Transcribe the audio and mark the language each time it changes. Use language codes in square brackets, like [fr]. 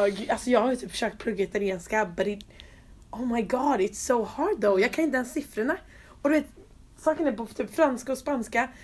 [sv] Alltså jag har ju typ försökt plugga italienska. [en] But it, oh my god, it's so hard though. [sv] Jag kan inte ens siffrorna. Och du vet, saken är på typ franska och spanska.